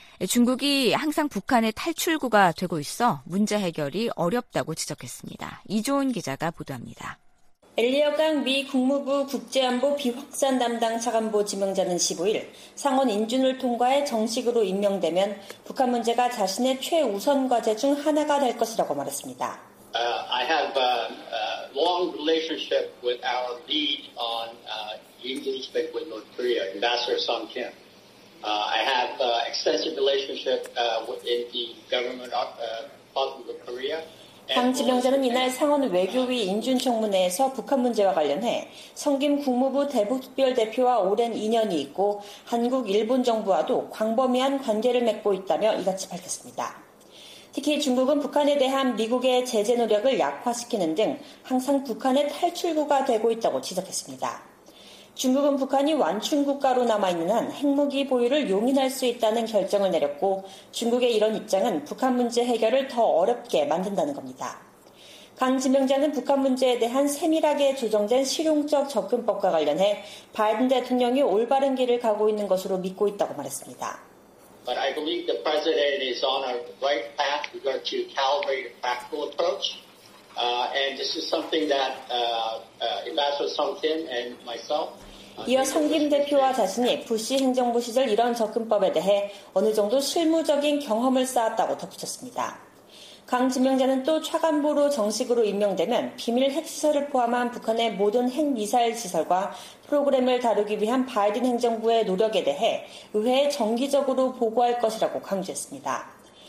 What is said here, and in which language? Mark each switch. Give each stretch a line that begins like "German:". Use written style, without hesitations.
Korean: 중국이 항상 북한의 탈출구가 되고 있어 문제 해결이 어렵다고 지적했습니다. 이조은 기자가 보도합니다. 엘리어 강 미 국무부 국제안보 비확산 담당 차관보 지명자는 15일 상원 인준을 통과해 정식으로 임명되면 북한 문제가 자신의 최우선 과제 중 하나가 될 것이라고 말했습니다.
English: I have a long relationship with our lead on engagement with North Korea, Ambassador Song Kim. I have an extensive relationship within the government of Korea.
Korean: 강 지명자는 이날 상원 외교위 인준청문회에서 북한 문제와 관련해 성김 국무부 대북특별대표와 오랜 인연이 있고 한국, 일본 정부와도 광범위한 관계를 맺고 있다며 이같이 밝혔습니다. 특히 중국은 북한에 대한 미국의 제재 노력을 약화시키는 등 항상 북한의 탈출구가 되고 있다고 지적했습니다. 중국은 북한이 완충국가로 남아있는 한 핵무기 보유를 용인할 수 있다는 결정을 내렸고 중국의 이런 입장은 북한 문제 해결을 더 어렵게 만든다는 겁니다. 강 지명자는 북한 문제에 대한 세밀하게 조정된 실용적 접근법과 관련해 바이든 대통령이 올바른 길을 가고 있는 것으로 믿고 있다고 말했습니다.
English: But I believe the president is on a right path. We're going to calibrate a practical approach. And this is something that Ambassador Song Kim and myself.
Korean: 이어 성 김 대표와 자신이 부시 행정부 시절 이런 접근법에 대해 어느 정도 실무적인 경험을 쌓았다고 덧붙였습니다. 강 지명자는 또 차관보로 정식으로 임명되면 비밀 핵시설을 포함한 북한의 모든 핵미사일 시설과 프로그램을 다루기 위한 바이든 행정부의 노력에 대해 의회에 정기적으로 보고할 것이라고 강조했습니다.